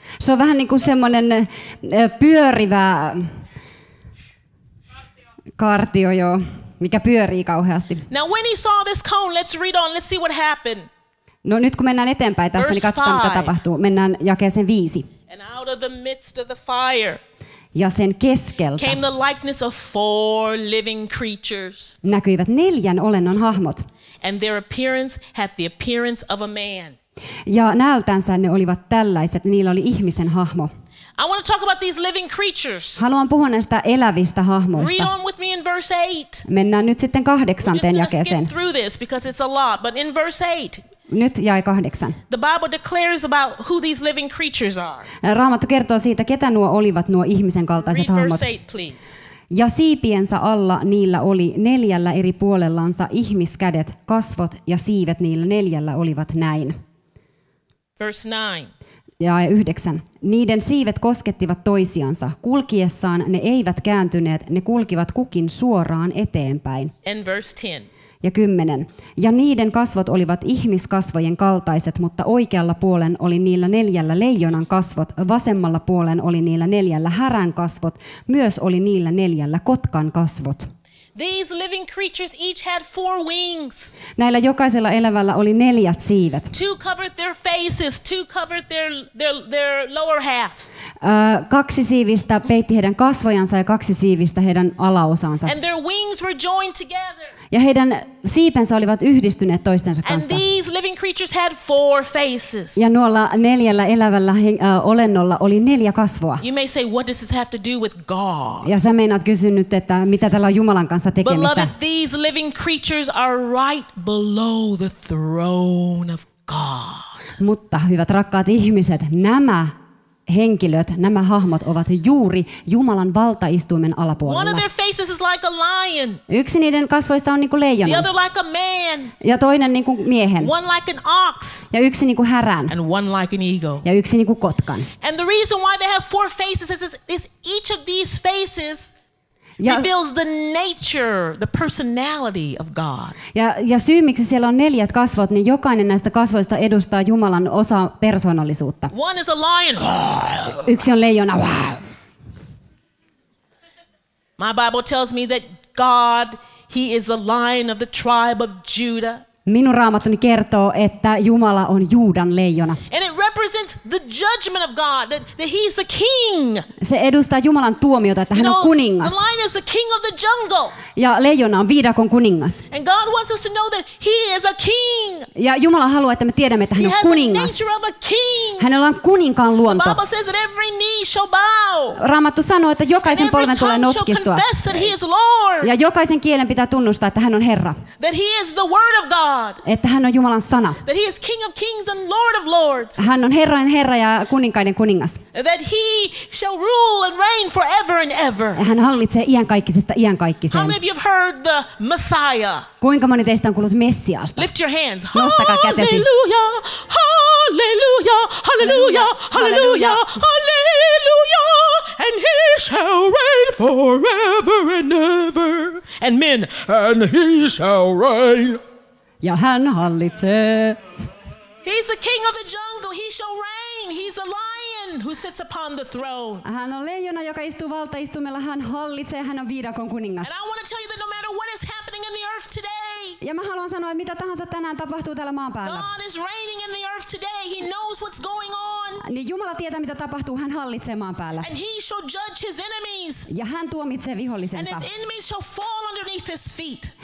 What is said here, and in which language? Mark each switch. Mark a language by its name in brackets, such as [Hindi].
[Finnish] Se on vähän niin kuin semmoinen pyörivä kartio, joo, mikä pyörii kauheasti. [English] Now when he saw this cone, let's read on, let's see what happened. [Finnish] No nyt kun mennään eteenpäin tässä, niin katsotaan mitä tapahtuu. Mennään jakeeseen 5. [English] And out of the midst of the fire, [Finnish] ja sen keskeltä, [English] came the likeness of four living creatures. [Finnish] Näkyivät neljän olennon hahmot. [English] And their appearance had the appearance of a man. [Finnish] Ja näöltänsä ne olivat tällaiset, niillä oli ihmisen hahmo. [English] I want to talk about these living creatures. [Finnish] Haluan puhua näistä elävistä hahmoista. [English] Read on with me in verse 8. [Finnish] Mennään nyt sitten 8. jakeeseen. [English] We're just going to skip through this because it's a lot, but in verse 8. [Finnish] Nyt jae 8. [English] The Bible declares about who these living creatures are. [Finnish] Raamattu kertoo siitä, ketä nuo olivat nuo ihmisen kaltaiset hahmot. [English] Read verse 8, please. [Finnish] Ja siipiensä alla niillä oli neljällä eri puolellansa ihmiskädet, kasvot ja siivet niillä neljällä olivat näin. [English] Verse 9. [Finnish] Ja 9. Niiden siivet koskettivat toisiansa. Kulkiessaan ne eivät kääntyneet, ne kulkivat kukin suoraan eteenpäin. [English] And verse 10. [Finnish] Ja 10. Ja niiden kasvot olivat ihmiskasvojen kaltaiset, mutta oikealla puolen oli niillä neljällä leijonan kasvot, vasemmalla puolen oli niillä neljällä härän kasvot, myös oli niillä neljällä kotkan kasvot. [English] These living creatures each had four wings. [Finnish] Näillä jokaisella elävällä oli neljät siivet. [English] Two covered their faces, two covered their lower half. [Finnish] Kaksi siivistä peitti heidän kasvojansa ja kaksi siivistä heidän alaosansa. [English] And their wings were joined together. [Finnish] ja heidän siipensä olivat yhdistyneet toistensa kanssa. [English] And these living creatures had four faces. [Finnish] Ja nuolla neljällä elävällä olennolla oli neljä kasvoa. [English] You may say, what does this have to do with God? [Finnish] Ja sä meinaat kysynyt, että mitä tällä on Jumalan kanssa tekemistä. [English] Beloved, these living creatures are right below the throne of God. [Finnish] Mutta hyvät rakkaat ihmiset, nämä henkilöt, nämä hahmot ovat juuri Jumalan valtaistuimen alapuolella. [English] One of their faces is like a lion. [Finnish] Yksi niiden kasvoista on niin kuin leijona. [English] The other like a man. [Finnish] Ja toinen niin kuin miehen. [English] One like an ox. [Finnish] Ja yksi niin kuin härän. [English] And one like an eagle. [Finnish] Ja yksi niin kuin kotkan. [English] And the reason why they have four faces is each of these faces reveals the nature, the personality of God. [Finnish] Ja syy, miksi siellä on neljät kasvot, niin jokainen näistä kasvoista edustaa Jumalan osa persoonallisuutta. [English] One is a lion. [Finnish] Yksi on leijona. [English] My Bible tells me that God, he is the lion of the tribe of Judah. [Finnish] Minun Raamattuni kertoo, että Jumala on Juudan leijona. [English] And it represents the judgment of God, that he is the king. [Finnish] Se edustaa Jumalan tuomiota, että hän on kuningas. [English] The lion is the king of the jungle. [Finnish] Ja leijona on viidakon kuningas. [English] And God wants us to know that he is a king. [Finnish] Ja Jumala haluaa, että me tiedämme, että hän on kuningas. [English] He has the nature of a king. [Finnish] Hänellä on kuninkaan luonto. [English] The Bible says that every knee shall bow. [Finnish] Raamattu sanoo, että jokaisen polven tulee notkistua. [English] And every tongue shall confess that he is Lord. [Finnish] Ja jokaisen kielen pitää tunnustaa, että hän on Herra. [English] That he is the word of God. [Finnish] Että hän on Jumalan sana. [English] That he is king of kings and lord of lords. [Finnish] Hän on Herran Herra ja kuninkaiden kuningas. [English] That he shall rule and reign forever and ever. [Finnish] Hän hallitsee iänkaikkisesta iänkaikkiseen. [English] How many of you have heard the Messiah? [Finnish] Kuinka moni teistä on kuullut Messiasta? [English] Lift your hands. [Finnish] Nostakaa kätesi. Hallelujah! Hallelujah! Hallelujah! Hallelujah! [English] Hallelujah! And he shall reign forever and ever. And men, and he shall reign. [Finnish] Ja hän hallitsee. [English] He's the king of the jungle. He shall reign. He's a lion who sits upon the throne. [Finnish] Hän on leijona, joka istuu valtaistumella. Hän hallitsee. Hän on viidakon kuningas. [English] And I want to tell you that no matter what is happening in the earth today. [Finnish] Ja mä haluan sanoa, että mitä tahansa tänään tapahtuu täällä maan päällä. [English] God is reigning in the earth today. He knows what's going on. [Finnish] Niin Jumala tietää, mitä tapahtuu. Hän hallitsee maan päällä. [English] And he shall judge his enemies. [Finnish] Ja hän tuomitsee vihollisensa. [English] And his enemies shall fall underneath his feet.